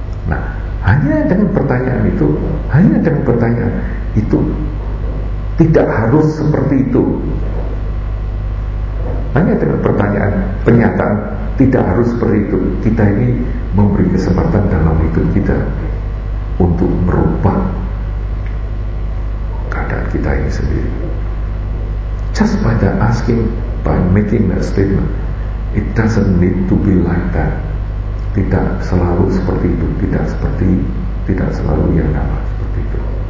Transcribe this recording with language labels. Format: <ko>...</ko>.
<id>Nah, hanya dengan pertanyaan itu, hanya dengan pertanyaan itu, tidak harus seperti itu. Hanya dengan pertanyaan, pernyataan, tidak harus seperti itu. Kita ini memberi kesempatan dalam hidup kita untuk merubah keadaan kita ini sendiri.</id> <en>Just by the asking, by making that statement, it doesn't need to be like that.</en> <id>Tidak selalu seperti itu, tidak selalu yang nama seperti itu.</id>